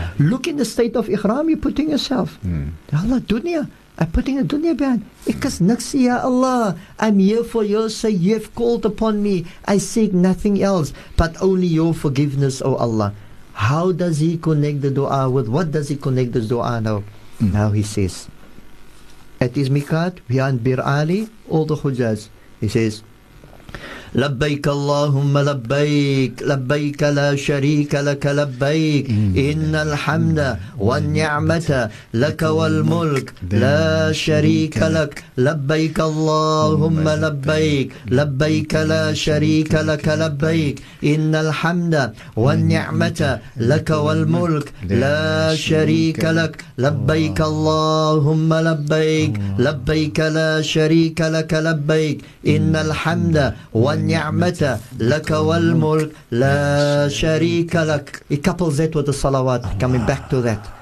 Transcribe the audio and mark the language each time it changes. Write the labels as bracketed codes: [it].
[en] Look in the state of ihram, you're putting yourself. Allah, dunya, I'm putting a dunya behind. Because naksi, ya Allah, I'm here for your sake, you have called upon me. I seek nothing else but only your forgiveness, O Allah. How does he connect the dua with, what does he connect this dua now? Now he says, at his miqat, beyond Bir Ali, all the hujjas, he says, [ar] لبيك اللهم لبيك لبيك لا شريك لك لبيك إن الحمد والنعمة لك والملك لا شريك لك لبيك اللهم لبيك لبيك لا شريك لك لبيك إن الحمد والنعمة لك والملك لا شريك لك لبيك اللهم لبيك لبيك لا شريك لك لبيك إن الحمد نِعْمَتَ لَكَ وَالْمُلْكُ لَا شَرِيكَ لَكَ. [en] He couples that with the salawat, coming back to that.